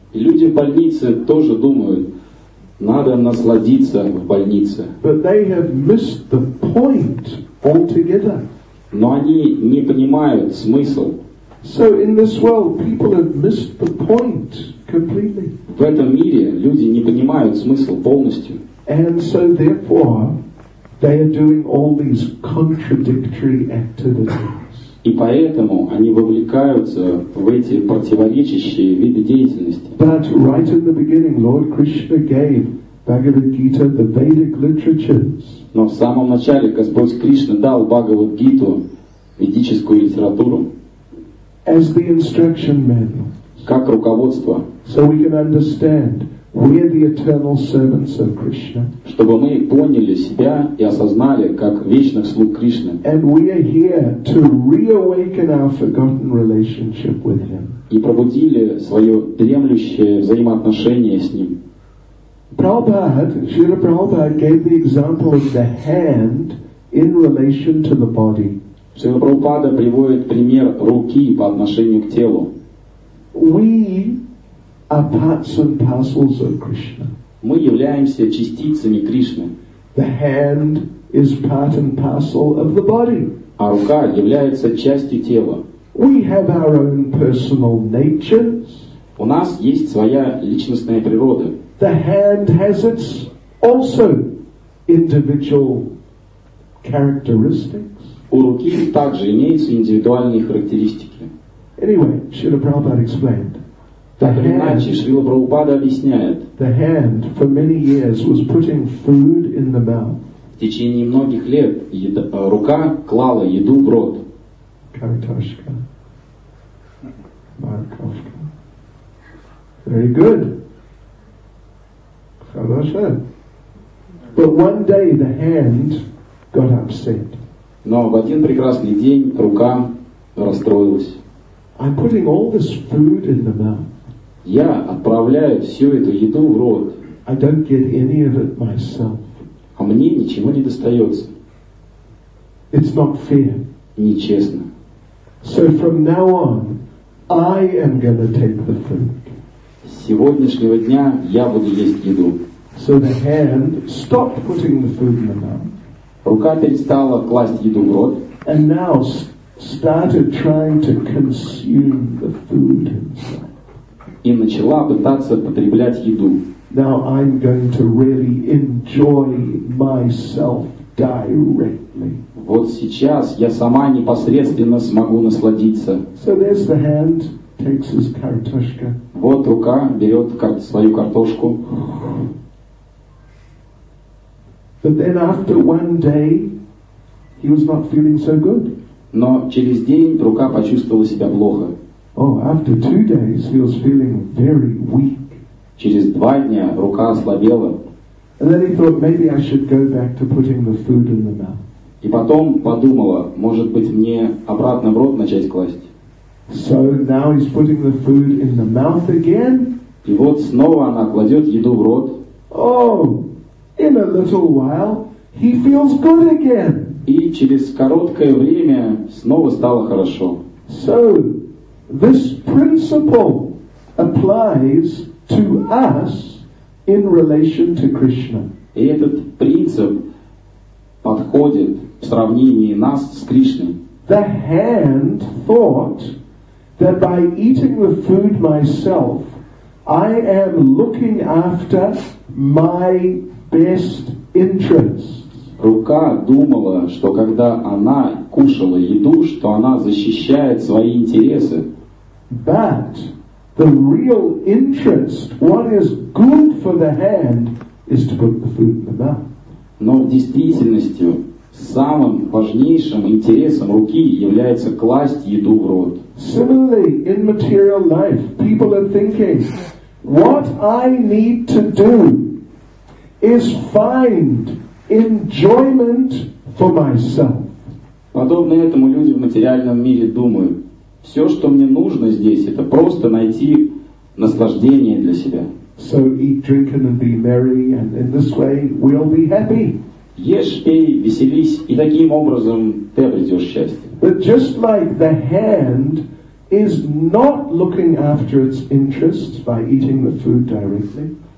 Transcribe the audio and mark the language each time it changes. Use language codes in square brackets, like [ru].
[ru] И люди в больнице тоже думают, надо насладиться в больнице. [en] But they have missed the point altogether. [ru] Но они не понимают смысл. [en] So in this world people have missed the point completely. [ru] В этом мире люди не понимают смысл полностью. [en] And so therefore they are doing all these contradictory activities. [ru] И поэтому они вовлекаются в эти противоречащие виды деятельности. [en] But right in the beginning Lord Krishna gave Bhagavad Gita, the Vedic literatures. [ru] Но в самом начале Господь Кришна дал Бхагавад Гиту, ведическую литературу, [en] as the instruction manual, [ru] как руководство. [en] So we can understand we are the eternal servants of Krishna. [ru] Чтобы мы поняли себя и осознали как вечных слуг Кришны. [en] And we are here to reawaken our forgotten relationship with Him. [ru] И пробудили свое дремлющее взаимоотношение с Ним. [en] Prabhupada, Srila Prabhupada gave the example of the hand in relation to the body. [ru] Srila Prabhupada приводит пример руки по отношению к телу. [en] We are parts and parcels of Krishna. [ru] Мы являемся частицами Кришны. [en] The hand is part and parcel of the body. [ru] А рука является частью тела. [en] We have our own personal natures. [ru] У нас есть своя личностная природа. [en] The hand has its also individual characteristics. [ru] У руки также имеются индивидуальные характеристики. [en] Anyway, Srila Prabhupada explained. [ru] Так или иначе, Шрила Прабхупада объясняет. [en] The hand for many years was putting food in the mouth. [ru] В течение многих лет рука клала еду в рот. Картошка. Морковка. [en] Very good. [ru] Хорошо. [en] But one day the hand got upset. [ru] Но в один прекрасный день рука расстроилась. [en] I'm putting all this food in the mouth. [ru] Я отправляю всю эту еду в рот. [en] I don't get any of it myself. [ru] А мне ничего не достается. [en] It's not fair. [ru] Нечестно. [en] So from now on, I am gonna take the food. [ru] С сегодняшнего дня я буду есть еду. [en] So the hand stopped putting the food in the mouth. [ru] Рука перестала класть еду в рот. [en] And now started trying to consume the food inside. [ru] И начала пытаться потреблять еду. [en] Now I'm going to really enjoy myself directly. [ru] Вот сейчас я сама непосредственно смогу насладиться. [en] So there's the hand. Takes his картошка. [ru] Вот рука берет свою картошку. [en] But then after one day, he was not feeling so good. [ru] Но через день рука почувствовала себя плохо. [en] Oh, after two days, he was feeling very weak. [ru] Через два дня рука ослабела. [en] And then he thought, maybe I should go back to putting the food in the mouth. [ru] И потом подумала, может быть, мне обратно в рот начать класть. [en] So now he's putting the food in the mouth again. [ru] И вот снова она кладет еду в рот. [en] Oh, in a little while he feels good again. [ru] И через короткое время снова стало хорошо. [en] So this principle applies to us in relation to Krishna. [ru] И этот принцип подходит в сравнении нас с Кришной. [en] The hand thought that by eating the food myself, I am looking after my best interests. [ru] Рука думала, что когда она кушала еду, что она защищает свои интересы. [en] But the real interest, what is good for the hand, is to put the food in the mouth. [ru] Но в действительности самым важнейшим интересом руки является класть еду в рот. [en] Similarly, in material life, people are thinking, what I need to do is find enjoyment for myself. [ru] Подобно этому люди в материальном мире думают, все, что мне нужно здесь, это просто найти наслаждение для себя. [en] So eat, drink, and be merry, and in this way we'll be happy. [ru] Ешь, пей, веселись, и таким образом ты обретешь счастье. [en] But just like the hand is not looking after its interests by eating the food directly.